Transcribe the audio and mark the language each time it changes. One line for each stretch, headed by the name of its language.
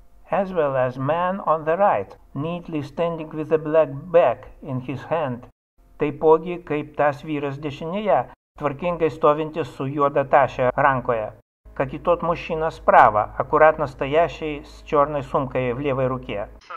English: As well as man on the right, neatly standing with a black bag in his hand.
Lithuanian: Taipogi kaip tas vyras dešinėje, tvarkingai stovintis su juoda tašė rankoje.
Russian: Как и тот мужчина справа, аккуратно стоящий с черной сумкой в левой руке.